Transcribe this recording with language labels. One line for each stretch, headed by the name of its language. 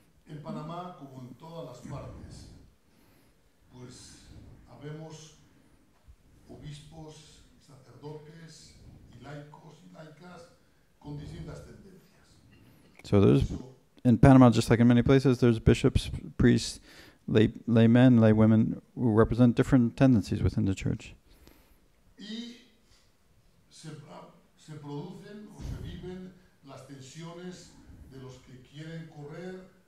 Spanish: En Panamá, como en todas las partes, pues habemos obispos, sacerdotes y laicos y laicas con distintas tendencias.
English: So there's, in Panama, just like in many places, there's bishops, priests, laymen, laywomen who represent different tendencies within the church.
Spanish: Y se producen o se viven las tensiones de los que quieren correr.